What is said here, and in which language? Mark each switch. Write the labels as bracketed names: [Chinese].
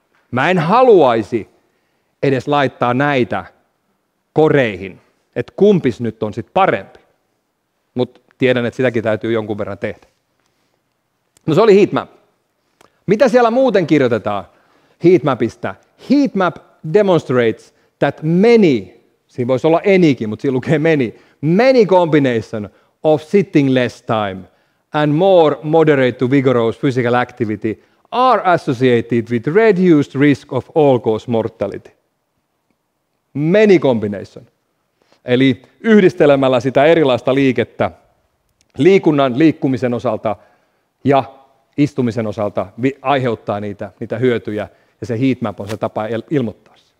[Finnish] Mä en haluaisi edes laittaa näitä koreihin, että kumpis nyt on sitten parempi. Mutta tiedän, että sitäkin täytyy jonkun verran tehdä. No se oli heatmap. Mitä siellä muuten kirjoitetaan heatmapista? [English] Heatmap demonstrates that many... [Finnish] Siinä voisi olla anykin, mutta siinä lukee many. [English] Many combination of sitting less time and more moderate to vigorous physical activity are associated with reduced risk of all-cause mortality. Many combination. [Finnish] Eli yhdistelemällä sitä erilaista liikettä liikunnan, liikkumisen osalta ja istumisen osalta aiheuttaa niitä hyötyjä. Ja se heatmap on se tapa ilmoittaa.